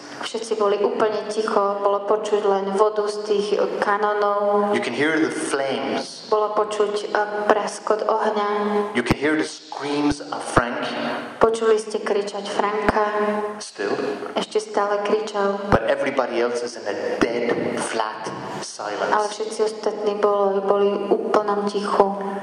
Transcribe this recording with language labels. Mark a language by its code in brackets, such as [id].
[sk] Všetci boli úplne ticho, bolo počuť len vodu z tých kanónov. [en] You can hear the flames. [sk] Bolo počuť praskot ohňa. [en] You can hear the screams of Frank. [sk] Počuli ste kričať Franka. [en] Still. [sk] Ešte stále kričal. [en] But everybody else is in a dead, flat silence. [sk] Ale všetci ostatní boli úplne ticho.